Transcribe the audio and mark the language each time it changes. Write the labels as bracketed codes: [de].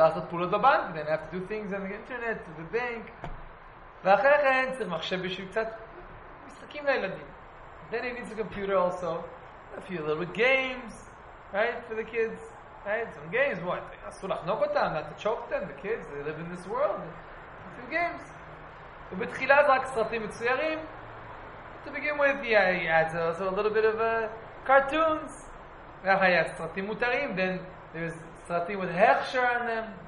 [en] Pulot b'bank. Then I have to do things on the internet, to the bank. [he] ואחרי כן צריך מחשב בשביל קצת משחקים לילדים. [en] Then he needs a computer also. A few little games, right, for the kids. Right, some games, what? [he] אסור לחנוק אותם, [en] not to choke them, the kids, they live in this world. A few games. [he] ובתחילה זה רק סרטים מצוירים. [en] To begin with, yeah, he adds also a little bit of cartoons. [he] ואחר היה סרטים מותרים, [en] then there's סרטים with הכשר on them.